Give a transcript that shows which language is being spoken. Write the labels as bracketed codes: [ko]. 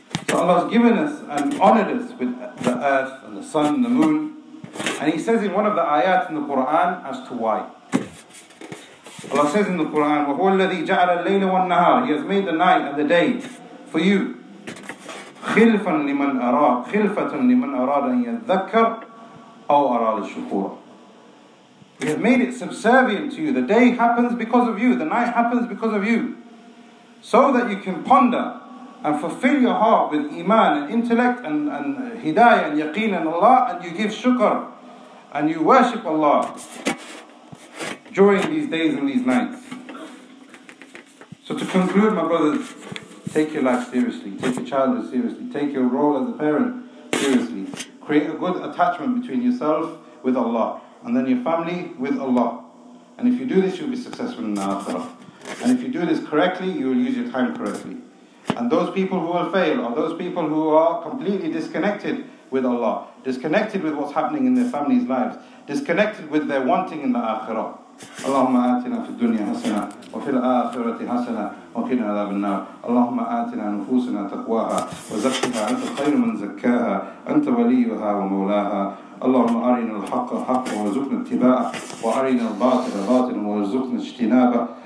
[en] So Allah has given us and honored us with the earth and the sun and the moon. And He says in one of the ayat in the Quran as to why. Allah says in the Quran, [ar] وَهُوَ الَّذِي جَعَلَ اللَّيْلَ وَالنَّهَارِ. [en] He has made the night and the day for you. [ar] خِلْفًا لِمَنْ أَرَادَ خِلْفَةً لِمَنْ أَرَادَ أَنْ يَذَّكَّرَ أَوْ أَرَادَ الشُّكُورَ. [en] We have made it subservient to you. The day happens because of you. The night happens because of you. So that you can ponder and fulfill your heart with iman and intellect and hidayah and yaqeen and Allah, and you give shukr and you worship Allah during these days and these nights. So to conclude, my brothers, take your life seriously, take your childhood seriously, take your role as a parent seriously. Create a good attachment between yourself with Allah, and then your family with Allah. And if you do this, you'll be successful in the akhirah. And if you do this correctly, you will use your time correctly. And those people who will fail are those people who are completely disconnected with Allah, disconnected with what's happening in their family's lives, disconnected with their wanting in the akhirah. [ar] اللهم آتنا في الدنيا حسنة وفي الآخرة حسنة وقنا عذاب النار اللهم آتنا نفوسنا تقواها وزكها أنت خير من زكاها أنت وليها ومولاها اللهم أرنا الحق حقا وارزقنا اتباعه وأرنا الباطل باطلا وارزقنا اجتنابه